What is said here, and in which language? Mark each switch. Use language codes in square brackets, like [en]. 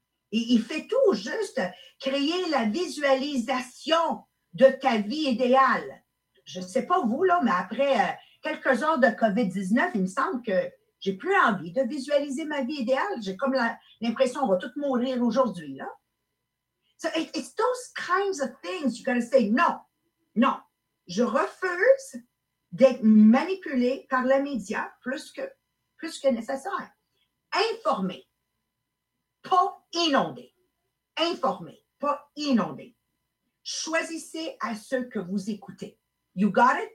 [fr] Il fait tout juste créer la visualisation de ta vie idéale. Je ne sais pas vous, là, mais après quelques heures de COVID-19, il me semble que j'ai plus envie de visualiser ma vie idéale. J'ai comme l'impression qu'on va tous mourir aujourd'hui, là. [en] So it's those kinds of things you gotta say [fr] non, non. Je refuse d'être manipulée par les médias plus que nécessaire. Informer, pas inonder. Informer, pas inonder. Choisissez à ceux que vous écoutez. [en] You got it?